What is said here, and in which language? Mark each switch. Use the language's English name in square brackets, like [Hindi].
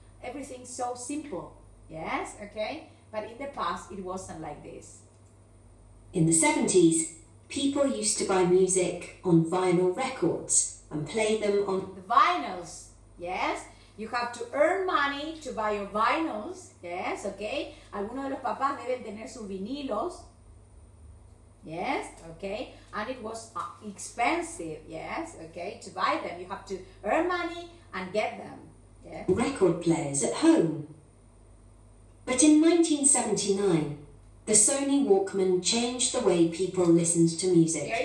[English] everything so simple. Yes, okay? But in the past, it wasn't like this. In the 70s, people used to buy music on vinyl records and play them on the vinyls. Yes, you have to earn money to buy your vinyls. Yes, okay? [Spanish] Algunos de los papás deben tener sus vinilos. [English] Yes, okay? And it was expensive, yes, okay, to buy them. You have to earn money and get them. Yes? Record players at home. But in 1979, the Sony Walkman changed the way people listened to music.